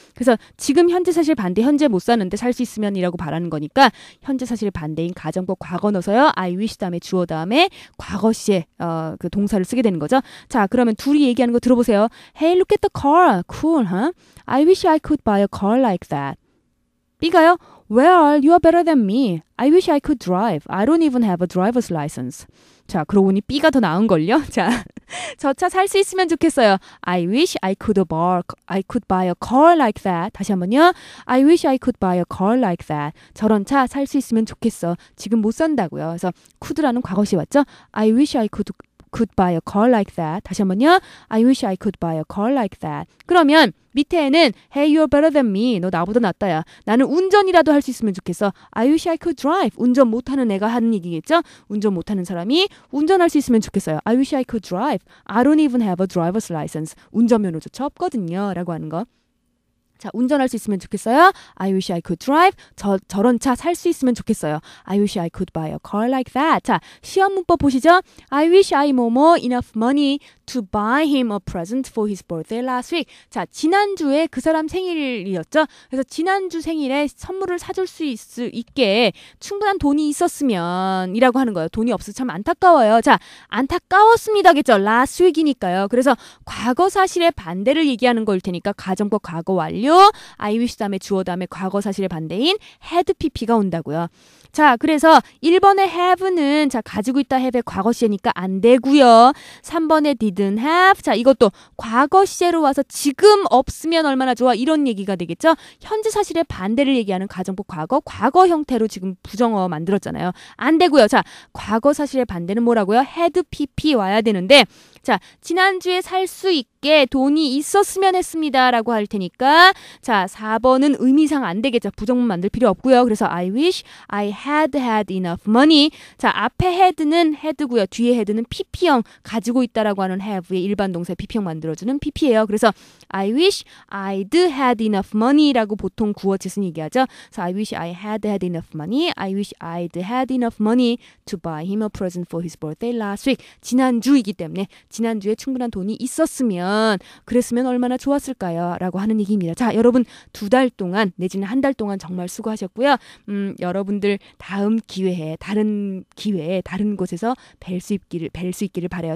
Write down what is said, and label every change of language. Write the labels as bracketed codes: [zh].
[ko] 그래서 지금 현재 사실 반대, 현재 못 사는데 살 수 있으면 이라고 바라는 거니까 현재 사실 반대인 가정법 과거 넣어서요. I wish 다음에 주어 다음에 과거 시에 그 동사를 쓰게 되는 거죠. 자, 그러면 둘이 얘기하는 거 들어보세요. [en] Hey, look at the car. Cool, huh? I wish I could buy a car like that. [ko] B가요? [en] Well, you are better than me. I wish I could drive. I don't even have a driver's license. [ko] 자, 그러고 보니 B가 더 나은걸요? 자, 저 차 살 수 있으면 좋겠어요. [en] I wish I could buy a car like that. [ko] 다시 한번요. [en] I wish I could buy a car like that. [ko] 저런 차 살 수 있으면 좋겠어. 지금 못 산다고요. 그래서 could라는 과거시 왔죠? [en] I wish I could buy a car like that. [ko] 다시 한번요. [en] I wish I could buy a car like that. [ko] 그러면 밑에는 [en] Hey, you're better than me. [ko] 너 나보다 낫다야. 나는 운전이라도 할 수 있으면 좋겠어. [en] I wish I could drive. [ko] 운전 못하는 애가 하는 얘기겠죠? 운전 못하는 사람이 운전할 수 있으면 좋겠어요. [en] I wish I could drive. I don't even have a driver's license. [ko] 운전면허조차 없거든요. 라고 하는 거. 자, 운전할 수 있으면 좋겠어요. [en] I wish I could drive. [ko] 저런 차 살 수 있으면 좋겠어요. [en] I wish I could buy a car like that. [ko] 자, 시험 문법 보시죠. [en] I wish I momo enough money to buy him a present for his birthday last week. [ko] 자, 지난주에 그 사람 생일이었죠. 그래서 지난주 생일에 선물을 사줄 수 있게 충분한 돈이 있었으면 이라고 하는 거예요. 돈이 없어서 참 안타까워요. 자, 안타까웠습니다겠죠. Last week이니까요. 그래서 과거 사실의 반대를 얘기하는 거일 테니까 가정법 과거 완료. I wish 다음에 주어 다음에 과거 사실의 반대인 had PP가 온다고요. 자, 그래서 1번의 have는 자 가지고 있다 have의 과거 시제니까 안 되고요. 3번의 didn't have 자 이것도 과거 시제로 와서 지금 없으면 얼마나 좋아 이런 얘기가 되겠죠. 현재 사실의 반대를 얘기하는 가정법 과거 형태로 지금 부정어 만들었잖아요. 안 되고요. 자, 과거 사실의 반대는 뭐라고요? had PP 와야 되는데 자, 지난주에 살 수 있게 돈이 있었으면 했습니다 라고 할 테니까 자, 4번은 의미상 안 되겠죠. 부정문 만들 필요 없고요. [en] 그래서 I wish I had enough money. [ko] 자, 앞에 had는 had고요. 뒤에 had는 pp형 가지고 있다라고 하는 have의 일반 동사의 pp형 만들어주는 pp예요. 그래서 [en] I wish I'd had enough money [ko] 라고 보통 구어짓은 얘기하죠. [en] So I wish I had enough money. I wish I'd had enough money to buy him a present for his birthday last week. [ko] 지난주이기 때문에 지난주에 충분한 돈이 있었으면 그랬으면 얼마나 좋았을까요? 라고 하는 얘기입니다. 자, 여러분 두 달 동안 내지는 한 달 동안 정말 수고하셨고요. 여러분들 다음 기회에 다른 곳에서 뵐 수 있기를 바라요.